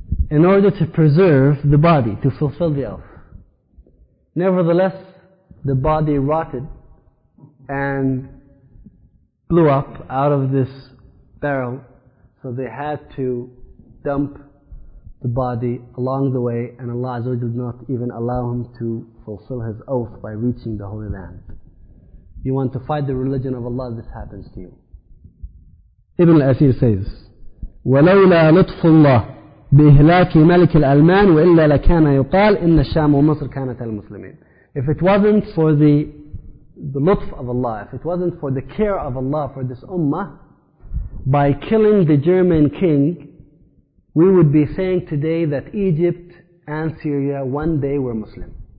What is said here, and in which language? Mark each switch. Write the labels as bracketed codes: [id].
[en] In order to preserve the body, to fulfill the oath. Nevertheless, the body rotted and blew up out of this barrel. So they had to dump the body along the way, and Allah Azza wa Jalla did not even allow him to fulfill his oath by reaching the Holy Land. You want to fight the religion of Allah, this happens to you. Ibn al-Asir says, [ar] وَلَوْلَا لُطْفُ اللَّهِ بِإِهْلَاكِ مَلِكِ الْأَلْمَانِ وَإِلَّا لَكَانَ يُقَالِ إِنَّ الشَّامُ وَمَصْرِ كَانَتَ الْمُسْلِمِينَ. [en] If it wasn't for the lutf of Allah, if it wasn't for the care of Allah for this ummah, by killing the German king, we would be saying today that Egypt and Syria one day were Muslim.